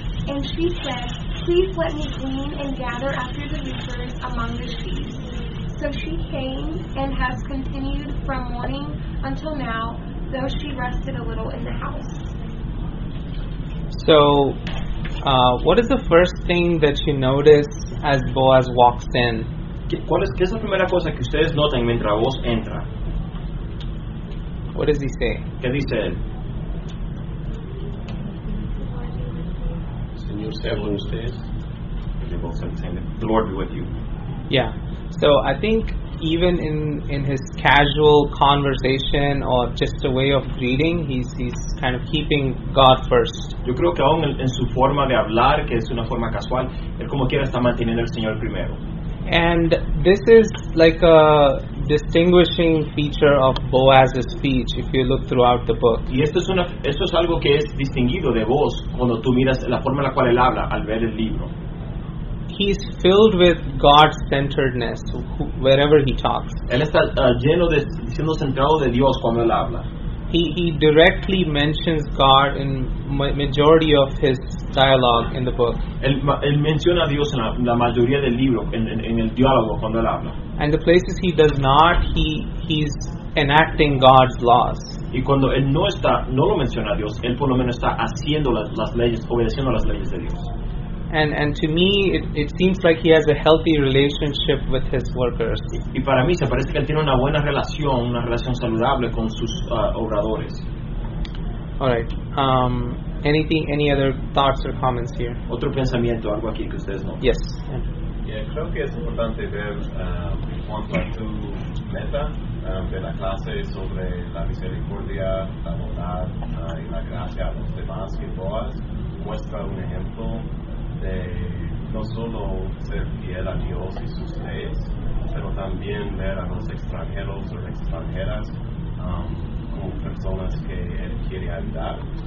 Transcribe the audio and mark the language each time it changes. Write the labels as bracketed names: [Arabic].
[English] And she said, "Please let me glean and gather after the reapers among the sheaves." So she came and has continued from morning until now, though she rested a little in the house. So what is the first thing that you notice as Boaz walks in? [Spanish] ¿Qué es la primera cosa que ustedes notan mientras Boaz entra? [English] What does he say? [Spanish] ¿Qué dice él? Señor sea con ustedes. [English] The Lord be with you. Yeah. So I think even in his casual conversation or just a way of greeting, he's kind of keeping God first. [Spanish] Yo creo que aún en su forma de hablar, que es una forma casual, él como quiera está manteniendo al Señor primero. [English] And this is like a distinguishing feature of Boaz's speech if you look throughout the book. [Spanish] Y esto es algo que es distinguido de Boaz cuando tú miras la forma en la cual él habla al ver el libro. [English] He's filled with God-centeredness wherever he talks. [Spanish] Él está lleno de siendo centrado de Dios cuando él habla. [English] He directly mentions God in majority of his dialogue in the book. [Spanish] Él menciona a Dios en la mayoría del libro en el diálogo cuando él habla. [English] And the places he does not, he's enacting God's laws. [Spanish] Y cuando él no lo menciona a Dios, él por lo menos está haciendo las leyes, obedeciendo las leyes de Dios. [English] And to me, it seems like he has a healthy relationship with his workers. [Spanish] Y para mí se parece que él tiene una buena relación, una relación saludable con sus obradores. [English] All right. Any other thoughts or comments here? [Spanish] Otro pensamiento, algo aquí que ustedes no. [English] Yes. [Spanish] Yeah, creo que es importante ver un punto meta de la clase sobre la misericordia, la bondad y la gracia a los demás, que Boaz muestra un ejemplo de no solo ser fiel a Dios y sus leyes, pero también ver a los extranjeros o extranjeras como personas que él quiere ayudar.